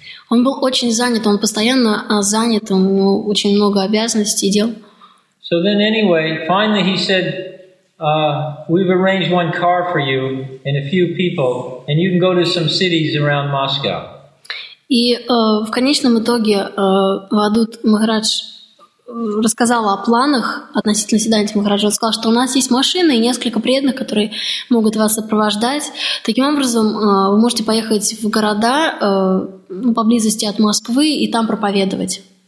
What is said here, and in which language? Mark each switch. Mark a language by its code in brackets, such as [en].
[ru] Он был очень занят, он постоянно занят, у него очень много обязанностей и дел. [en] So then anyway, finally he said, we've arranged one car for you and a few people, and you can go to some cities around Moscow. [ru] И в конечном итоге Авадут Махарадж рассказал о планах относительно Сиддханта Махараджа. Он сказал, что у нас есть машина и несколько преданных, которые могут вас сопровождать. Таким образом, вы можете поехать в города поблизости от Москвы и там проповедовать.